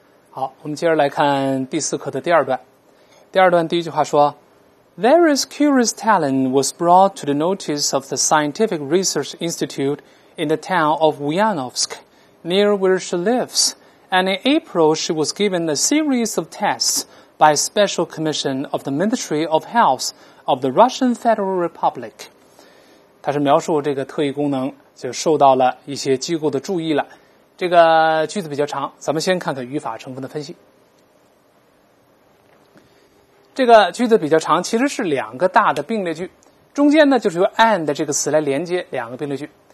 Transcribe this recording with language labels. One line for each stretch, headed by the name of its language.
Chinese: 好，我们接着来看第四课的第二段。第二段第一句话说
English: ,Various curious talent was brought to the notice of the Scientific Research Institute in the town of Ulyanovsk, near where she lives, and in April she was given a series of tests by a special commission of the Ministry of Health of the Russian Federal Republic.
Chinese: 他是描述这个特异功能就受到了一些机构的注意了。这个句子比较长，咱们先看看语法成分的分析。这个句子比较长，其实是两个大的并列句，中间呢就是由 and 这个词来连接两个并列句。